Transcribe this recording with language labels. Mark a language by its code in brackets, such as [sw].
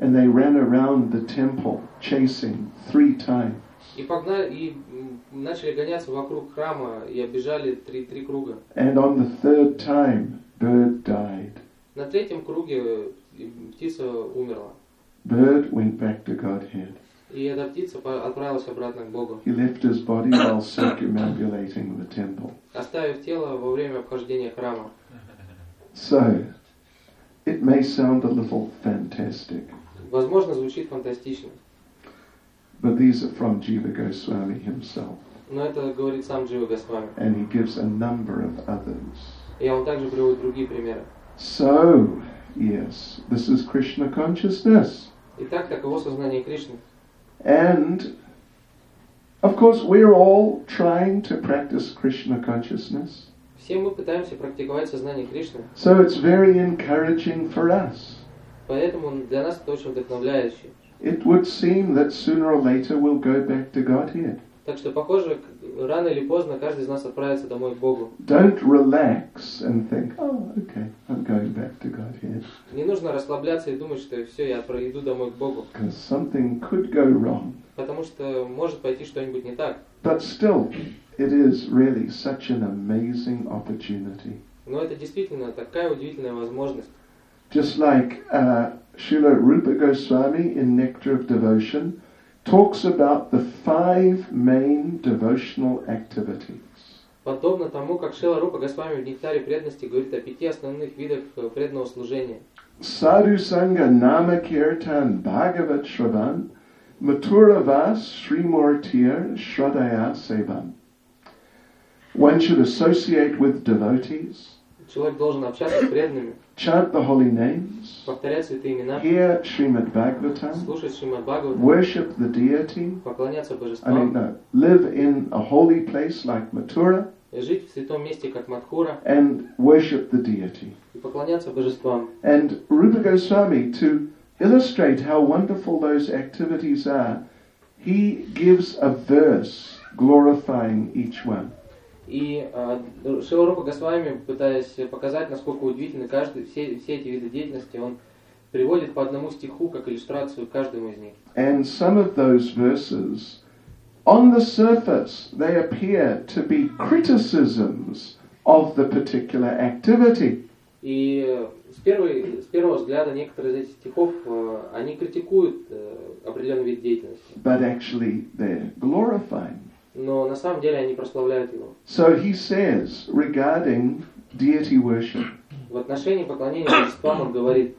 [en] And they ran around the temple chasing three times. [ru] И начали гоняться вокруг храма и оббежали три круга. [en] And on the third time, bird died. [ru] На третьем круге птица умерла. [en] Bird went back to Godhead. [ru] И эта птица отправилась обратно к Богу. [en] He left his body while circumambulating the temple. [ru] Оставив тело во время обхождения храма. [en] So, it may sound a little fantastic. [ru] Возможно, звучит фантастично. [en] But these are from Jiva Goswami himself. [ru] Но это говорит сам Джива Госвами. [en] And he gives a number of others. [ru] И он также приводит другие примеры. [en] So, yes, this is Krishna consciousness. [ru] Итак, таково сознание Кришны. [en] And, of course, we're all trying to practice Krishna consciousness. [ru] Все мы пытаемся практиковать сознание Кришны. [en] So it's very encouraging for us. [ru] Поэтому для нас это очень вдохновляюще. [en] It would seem that sooner or later we'll go back to Godhead. [ru] Так что похоже, рано или поздно каждый из нас отправится домой к Богу. [en] Don't relax and think, oh, okay, I'm going back to Godhead. [ru] Не нужно расслабляться и думать, что все, я пройду домой к Богу. [en] Because something could go wrong. [ru] Потому что может пойти что-нибудь не так. [en] But still, it is really such an amazing opportunity. [ru] Но это действительно такая удивительная возможность. [en] Just like Srila Rupa Goswami in Nectar of Devotion talks about the five main devotional activities. [ru] Подобно тому, как Шрила Рупа Госвами в Нектаре преданности говорит о пяти основных видах преданного служения. [sa] Sadhu Sangha Nama Kirtan Bhagavat Shravan Mathura Vas Srimurtir Shradaya Sevan. [en] One should associate with devotees. [ru] Человек должен общаться с преданными. [en] Chant the holy names. [ru] Повторять святые имена. [en] Hear Srimad Bhagavatam. [ru] Слушать Шримад Бхагаватам. [en] Worship the deity. [ru] Поклоняться божествам. [en] I mean, no, live in a holy place like Mathura. [ru] Жить в святом месте, как Матхура. [en] And worship the deity. [ru] И поклоняться божествам. [en] And Rupa Goswami, to illustrate how wonderful those activities are, he gives a verse glorifying each one. [ru] И Шрила Рупа Госвами, пытаясь показать, насколько удивительны каждый, все эти виды деятельности, он приводит по одному стиху, как иллюстрацию каждому из них. [en] And some of those verses, on the surface, they appear to be criticisms of the particular activity. [ru] И с первого взгляда некоторые из этих стихов, они критикуют определенный вид деятельности. [en] But actually, they're glorifying. [ru] Но на самом деле они прославляют его. [en] So he says regarding deity worship. [ru] В отношении поклонения божествам он говорит.